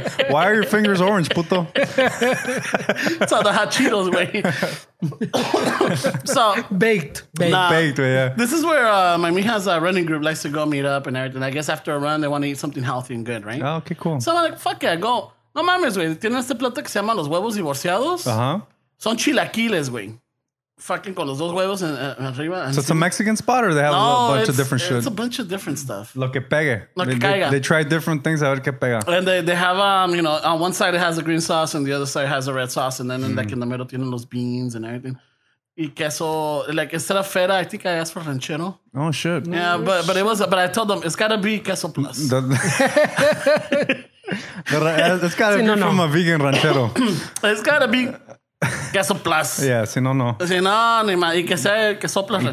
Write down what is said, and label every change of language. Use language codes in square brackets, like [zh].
[en] Why are your fingers orange, puto? It's all the hot Cheetos, güey. So baked. Nah, baked, wey, yeah. This is where my mija's running group likes to go meet up and everything. I guess after a run, they want to eat something healthy and good, right? Oh, okay, cool. So I'm like, fuck yeah, go. [es] No mames, güey. Tienen este plato que se llama Los Huevos Divorciados. Uh-huh. Son chilaquiles, güey. Fucking con los dos huevos en arriba. [en] So it's a Mexican spot or they have a bunch of different shit? It's a bunch of different stuff. [es] Lo que pegue. Lo que caiga. [en] They try different things [es] a ver que pega. [en] And they have, you know, on one side it has a green sauce and the other side has a red sauce. And then in the middle [es] tienen los [en] beans and everything. [es] Y queso, [en] like instead of feta, I think I asked for ranchero. Oh, shit. Yeah, oh, but it was, but I told them it's got to be queso plus. It's got to be from a vegan ranchero. It's got to be... queso plus. [es] Yeah, si no, no. Si no, ni más. Y que sea el queso plus ranchero.